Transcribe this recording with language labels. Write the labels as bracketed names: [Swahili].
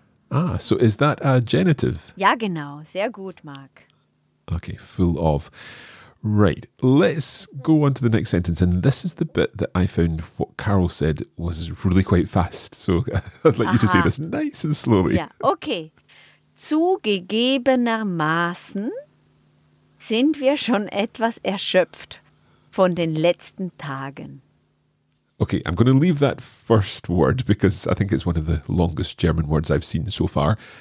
[English] Ah, so is that a genitive? [German] Ja, genau. Sehr gut, Mark. [English] Okay, full of. Right, let's go on to the next sentence. And this is the bit that I found what Carol said was really quite fast. So I'd like you to say this nice and slowly. Yeah, okay. [German] Zugegebenermaßen sind wir schon etwas erschöpft von den letzten Tagen. [English] Okay, I'm going to leave that first word because I think it's one of the longest German words I've seen so far.